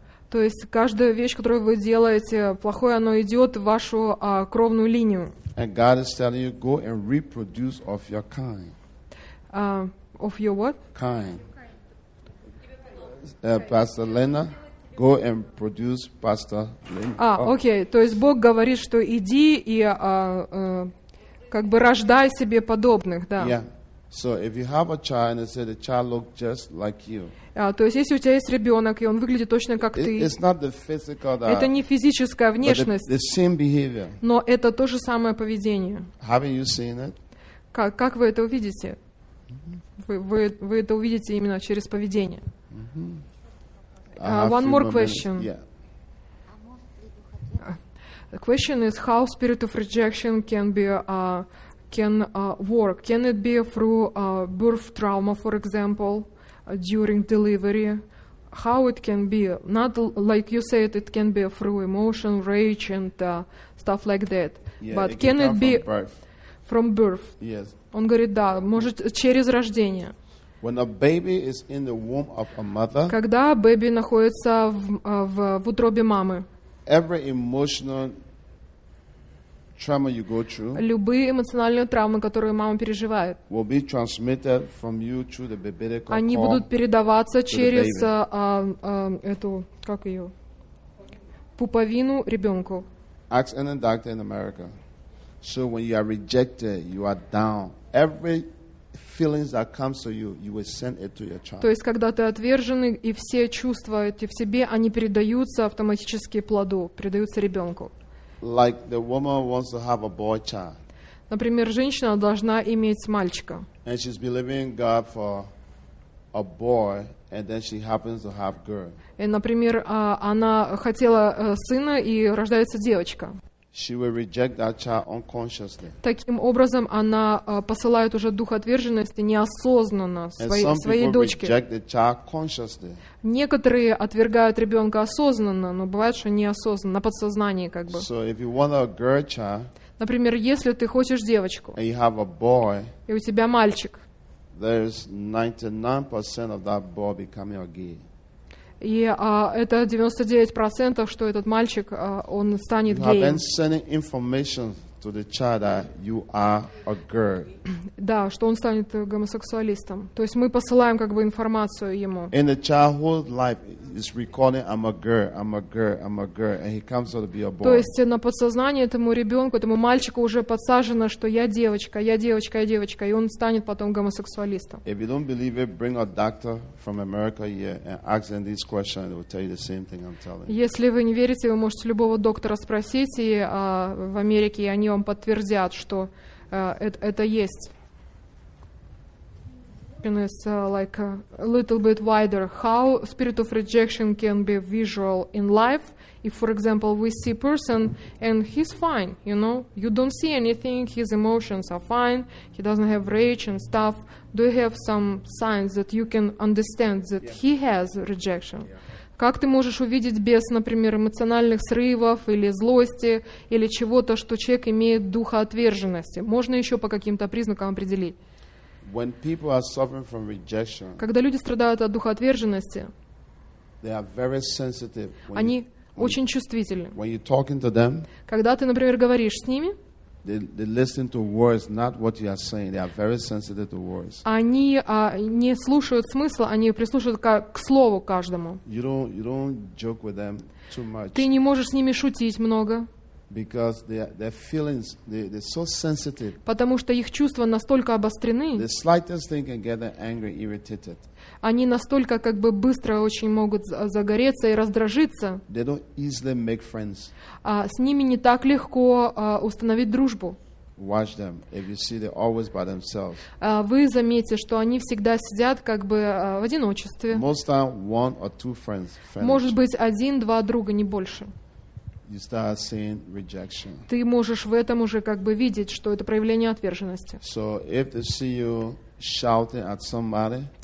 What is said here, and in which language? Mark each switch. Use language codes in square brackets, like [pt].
[ru] То есть каждая вещь, которую вы делаете, плохое, оно идет в вашу кровную линию. [en] And God is telling you, go and reproduce of your kind. Of your what? Kind. Pastor Lena, go and produce Pastor Lena. [ru] Окей. То есть Бог говорит, что иди и как бы рождай себе подобных, да. [en] Yeah. So if you have a child and say the child looks just like you. [ru] То есть если у тебя есть ребенок и он выглядит точно как ты. [en] It's not the physical. [ru] Это не физическая внешность. [en] But the same behavior. [ru] Но это то же самое поведение. [en] Have you seen it? [ru] Как вы это увидите? Вы это увидите именно через поведение. [en] One more question. Yeah. The question is how spirit of rejection can be. Can work? Can it be through birth trauma, for example, during delivery? How it can be? Not like you said, it can be through emotion, rage, and stuff like that. Yeah, but can it be from birth? From birth. Yes. [ru] Он говорит, да, может через рождение. [en] When a baby is in the womb of a mother. [ru] Когда baby находится в утробе мамы. [en] Every emotional trauma you go through. [ru] Любые эмоциональные травмы, которые мама переживает. [en] Will be transmitted from you through the biblical cord. [ru] Они будут передаваться через эту, как ее, пуповину ребенку. [en] Ask any doctor in America. So when you are rejected, you are down. Every feelings that comes to you, you will send it to your child. [ru] То есть когда ты отвержены и все чувства эти в себе, они передаются автоматически плоду, передаются ребенку. [en] Like the woman wants to have a boy child. [ru] Например, женщина должна иметь мальчика. [en] And she's believing God for a boy, and then she happens to have girl. [ru] И, например, она хотела сына и рождается девочка. [en] She will reject that child unconsciously. [ru] Таким образом, она посылает уже дух отверженности неосознанно своей дочке. [en] And some people reject the child consciously. [ru] Некоторые отвергают ребенка осознанно, но бывает, что неосознанно, на подсознании как бы. [en] So if you want a girl child, [ru] например, если ты хочешь девочку, [en] and you have a boy, [ru] и у тебя мальчик, [en] there's 99% of that boy becoming a gay. [ru] И это 99%, что этот мальчик, он станет [en] геем. You have been sending information to the child that you are a girl. [ru] Да, что он станет гомосексуалистом. То есть мы посылаем как бы информацию ему. [en] In the childhood life, it's recording, I'm a girl, I'm a girl, I'm a girl, and he comes out to be a boy. [ru] То есть на подсознание этому ребенку, этому мальчику уже подсажено, что я девочка, я девочка, я девочка, и он станет потом гомосексуалистом. [en] If you don't believe it, bring a doctor from America here and ask them this question, and they will tell you the same thing I'm telling you. [ru] Если вы не верите, вы можете любого доктора спросить, и в Америке, и они вам подтвердят, что это есть. [en] And it's like a little bit wider. How spirit of rejection can be visual in life? If, for example, we see person and he's fine, you know, you don't see anything, his emotions are fine, he doesn't have rage and stuff. Do you have some signs that you can understand that he has rejection? [ru] Как ты можешь увидеть без, например, эмоциональных срывов или злости или чего-то, что человек имеет духа отверженности? Можно еще по каким-то признакам определить? [en] When people are suffering from rejection, [ru] когда люди страдают от духа отверженности, [en] they are very sensitive when [ru] они очень чувствительны. [en] When you're talking to them, [ru] когда ты, например, говоришь с ними, [en] they listen to words, not what you are saying. They are very sensitive to words. [ru] Они не слушают смысла, они прислушивают к слову каждому. [en] You don't joke with them too much. [ru] Ты не можешь с ними шутить много. [en] Because their feelings, they're so sensitive. [ru] Потому что их чувства настолько обострены. [en] The slightest thing can get them angry, irritated. [ru] Они настолько как бы быстро очень могут загореться и раздражиться. [en] They don't easily make friends. [ru] С ними не так легко установить дружбу. [en] Watch them. If you see, they're always by themselves. [ru] Вы заметите, что они всегда сидят как бы в одиночестве. [en] Most time, one or two friends. [ru] Может быть, один-два друга, не больше. [en] You start seeing rejection. [ru] Ты можешь в этом уже как бы видеть, что это проявление отверженности. [en] So if they see you shouting at somebody,